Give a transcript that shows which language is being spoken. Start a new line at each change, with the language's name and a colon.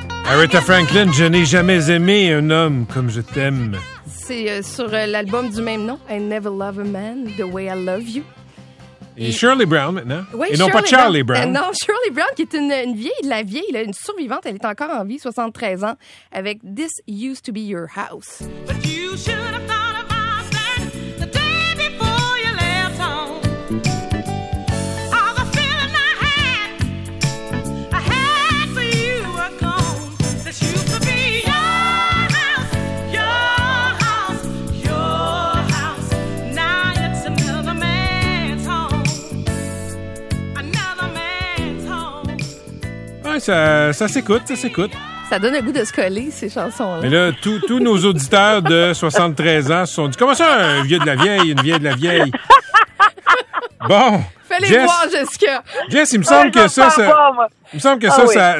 French: Aretha Franklin, je n'ai jamais aimé un homme comme je t'aime. C'est sur l'album du même nom, I Never Love a Man The Way I Love You. Et Shirley Brown maintenant. Oui, et non Shirley pas Charlie Brown. Non, Shirley Brown qui est une vieille, la vieille, là, une survivante, elle est encore en vie, 73 ans, avec This Used to Be Your House.
English: But you should have thought of my plan the day before you left home. All the feeling I had for you were gone. This used to be your house, your house, your house. Now it's another man's home, another man's home.
French: Ouais, ça s'écoute, ça s'écoute. Ça donne un goût de se coller, ces chansons-là. Mais là, tous nos auditeurs de 73 ans se sont dit « Comment ça, un vieux de la vieille, une vieille de la vieille? » Bon, fais-les Jess, voir, Jessica. Jess, il me semble que ça...